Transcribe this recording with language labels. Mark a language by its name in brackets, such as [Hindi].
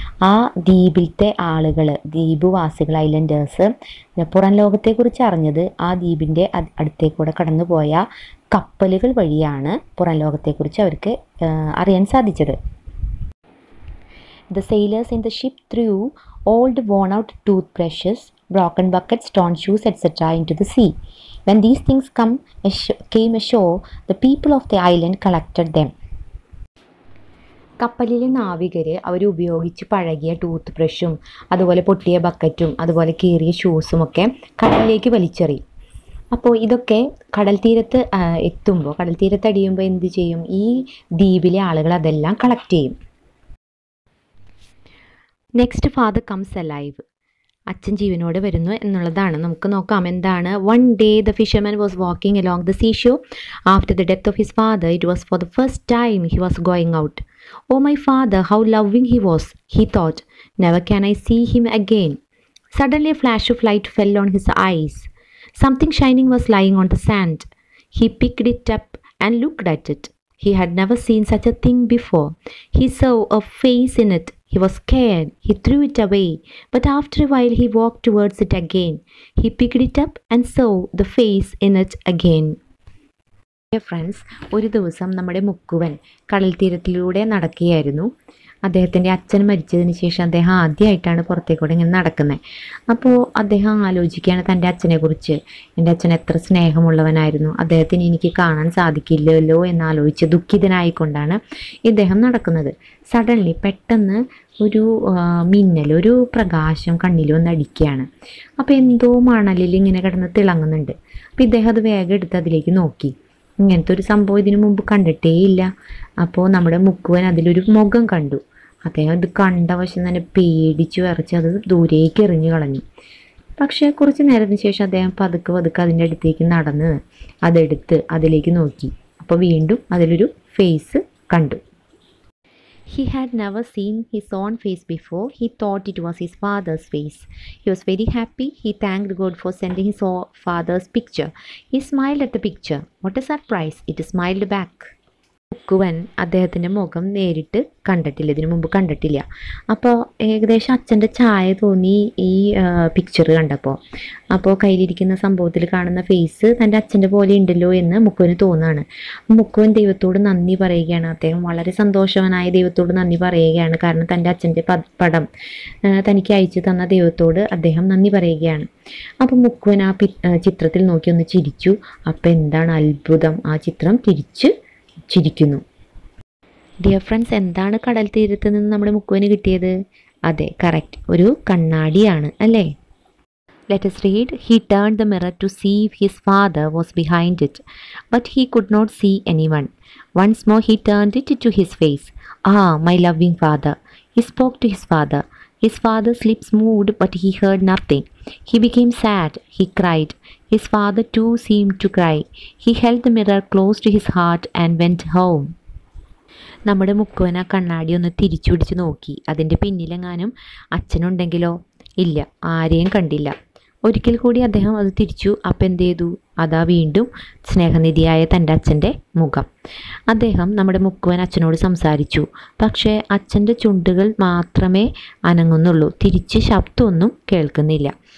[Malayalam] ആ ദ്വീപിലത്തെ ആളുകൾ, ദ്വീപുവാസികൾ, ഐലൻഡേഴ്സ് പുറം ലോകത്തെക്കുറിച്ച് അറിഞ്ഞത് ആ ദ്വീപിൻ്റെ അടുത്തേക്കൂടെ കടന്നുപോയ കപ്പലുകൾ വഴിയാണ് പുറം ലോകത്തെക്കുറിച്ച് അവർക്ക് അറിയാൻ സാധിച്ചത്. [English] The sailors in the ship threw old worn out toothbrushes broken bucket stone shoes etcetera into the sea. When these things came ashore, the people of the island collected them. [Malayalam] കപ്പലിലെ നാവികർ അവർ ഉപയോഗിച്ച് പഴകിയ tooth ബ്രഷും അതുപോലെ പൊട്ടിയ ബക്കറ്റും അതുപോലെ കീറിയ ഷൂസുമൊക്കെ കടലിലേക്ക് വലിച്ചെറിയും. അപ്പോൾ ഇതൊക്കെ കടൽ തീരത്ത് എത്തുമ്പോൾ, കടൽ തീരത്ത് അടിയുമ്പോൾ എന്ത് ചെയ്യും? ഈ ദ്വീപിലെ ആളുകൾ അതെല്ലാം കളക്ട് ചെയ്യും. [English] Next, father comes alive. [Malayalam] അച്ഛൻ ജീവനോട് വരുന്നു എന്നുള്ളതാണ്. നമുക്ക് നോക്കാം എന്താണ്. [English] One day the fisherman was walking along the sea shore after the death of his father. It was for the first time he was going out. Oh my father, how loving he was, he thought. Never can I see him again. Suddenly a flash of light fell on his eyes. Something shining was lying on the sand. He picked it up and looked at it. He had never seen such a thing before. He saw a face in it. He was scared. He threw it away. But after a while, he walked towards it again. He picked it up and saw the face in it again. Dear friends, [Malayalam] ഒരു ദിവസം നമ്മുടെ മുക്കുവൻ കടൽ തീരത്തിലൂടെ നടക്കുകയായിരുന്നു. അദ്ദേഹത്തിൻ്റെ അച്ഛൻ മരിച്ചതിന് ശേഷം അദ്ദേഹം ആദ്യമായിട്ടാണ് പുറത്തേക്കൂടെ ഇങ്ങനെ നടക്കുന്നത്. അപ്പോൾ അദ്ദേഹം ആലോചിക്കുകയാണ് തൻ്റെ അച്ഛനെക്കുറിച്ച്. എൻ്റെ അച്ഛൻ എത്ര സ്നേഹമുള്ളവനായിരുന്നു, അദ്ദേഹത്തിന് എനിക്ക് കാണാൻ സാധിക്കില്ലല്ലോ എന്നാലോചിച്ച് ദുഃഖിതനായിക്കൊണ്ടാണ് ഇദ്ദേഹം നടക്കുന്നത്. സഡൻലി പെട്ടെന്ന് ഒരു മിന്നൽ, ഒരു പ്രകാശം കണ്ണിൽ വന്നടിക്കുകയാണ്. അപ്പോൾ എന്തോ മണലിൽ ഇങ്ങനെ കിടന്ന് തിളങ്ങുന്നുണ്ട്. അപ്പോൾ ഇദ്ദേഹം അത് വേഗം എടുത്ത് അതിലേക്ക് നോക്കി. ഇങ്ങനത്തെ ഒരു സംഭവം ഇതിനു മുമ്പ് കണ്ടിട്ടേയില്ല. അപ്പോൾ നമ്മുടെ മുക്കുവൻ അതിലൊരു മുഖം കണ്ടു. അദ്ദേഹം ഇത് കണ്ട വശം തന്നെ പേടിച്ചു വരച്ച് അത് ദൂരേക്ക് എറിഞ്ഞു കളഞ്ഞു. പക്ഷേ കുറച്ച് നേരത്തിന് ശേഷം അദ്ദേഹം പതുക്കെ പതുക്കെ അതിൻ്റെ അടുത്തേക്ക് നടന്ന് അതെടുത്ത് അതിലേക്ക് നോക്കി. അപ്പോൾ വീണ്ടും അതിലൊരു ഫേസ് കണ്ടു. [English] He had never seen his own face before. He thought it was his father's face. He was very happy. He thanked God for sending his father's picture. He smiled at the picture. What a surprise. It smiled back. [Malayalam] മുക്കുവൻ അദ്ദേഹത്തിൻ്റെ മുഖം നേരിട്ട് കണ്ടിട്ടില്ല, ഇതിനു മുമ്പ് കണ്ടിട്ടില്ല. അപ്പോൾ ഏകദേശം അച്ഛൻ്റെ ചായ തോന്നി ഈ പിക്ചർ കണ്ടപ്പോൾ. അപ്പോൾ കയ്യിലിരിക്കുന്ന സംഭവത്തിൽ കാണുന്ന ഫേസ് തൻ്റെ അച്ഛൻ്റെ പോലെ ഉണ്ടല്ലോ എന്ന് മുക്കുവന് തോന്നുകയാണ്. മുക്കുവൻ ദൈവത്തോട് നന്ദി പറയുകയാണ്. അദ്ദേഹം വളരെ സന്തോഷവനായ ദൈവത്തോട് നന്ദി പറയുകയാണ്. കാരണം തൻ്റെ അച്ഛൻ്റെ പടം തനിക്ക് അയച്ചു തന്ന ദൈവത്തോട് അദ്ദേഹം നന്ദി പറയുകയാണ്. അപ്പോൾ മുക്കുവൻ ആ ചിത്രത്തിൽ നോക്കി ഒന്ന് ചിരിച്ചു. അപ്പോൾ എന്താണ് അത്ഭുതം, ആ ചിത്രം തിരിച്ച് ചിരിക്കുന്നു. [English] dear friends, [Malayalam] എന്താണ് കടൽ തീരത്ത് നിന്ന് നമ്മുടെ മുക്കുവന് കിട്ടിയത്? അതെ, കറക്റ്റ്, ഒരു കണ്ണാടിയാണ് അല്ലേ. [English] Let us read. He turn the mirror to see if his father was behind it but he could not see anyone. Once more he turn it to his face. Ah my loving father. He spoke to his father. His father's lips moved but he heard nothing. He became sad. He cried. His father too seemed to cry. He held the mirror close to his heart and went home. [Malayalam] നമ്മുടെ മുക്കുവൻ ആ കണ്ണാടി ഒന്ന് തിരിച്ചുപിടിച്ച് നോക്കി. അതിൻ്റെ പിന്നിലെങ്ങാനും അച്ഛനുണ്ടെങ്കിലോ? ഇല്ല, ആരെയും കണ്ടില്ല. ഒരിക്കൽ കൂടി അദ്ദേഹം അത് തിരിച്ചു. അപ്പം എന്ത് ചെയ്തു? അതാ വീണ്ടും സ്നേഹനിധിയായ തൻ്റെ അച്ഛൻ്റെ മുഖം. അദ്ദേഹം നമ്മുടെ മുക്കുവൻ അച്ഛനോട് സംസാരിച്ചു. പക്ഷേ അച്ഛൻ്റെ ചുണ്ടുകൾ മാത്രമേ അനങ്ങുന്നുള്ളൂ, തിരിച്ച് ശബ്ദമൊന്നും കേൾക്കുന്നില്ല.